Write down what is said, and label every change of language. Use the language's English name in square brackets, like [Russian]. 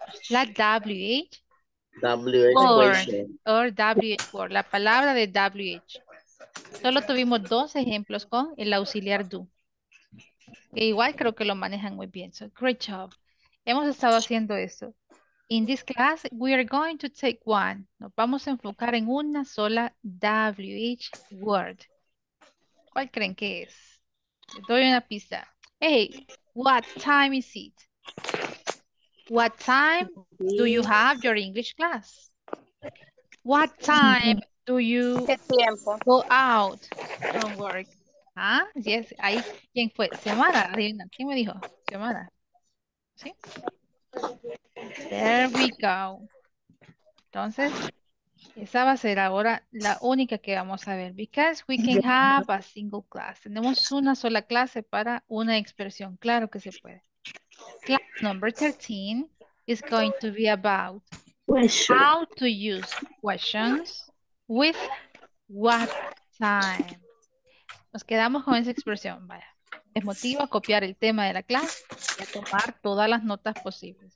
[Spanish] La WH. WH [English] or WH word, [Spanish] la palabra de WH. Solo tuvimos dos ejemplos con el auxiliar do. E igual creo que lo manejan muy bien. [English] So, great job. [Spanish] Hemos estado haciendo esto. [English] In this class, we are going to take one. [Spanish] Nos vamos a enfocar en una sola WH word. ¿Cuál creen que es? Les doy una pista. [English] Hey, what time is it? What time do you have your English class? What time do you go out from work? [Spanish] Ah, yes, ahí. ¿Quién fue? Semana, adivina. ¿Quién me dijo? Semana. ¿Sí? [English] There we go. [Spanish] Entonces, esa va a ser ahora la única que vamos a ver. [English] Because we can have a single class. [Spanish] Tenemos una sola clase para una expresión. Claro que se puede. [English] Class number 13 is going to be about how to use questions with what time. [Spanish] Nos quedamos con esa expresión. Vaya. Les motivo a copiar el tema de la clase y a tomar todas las notas posibles.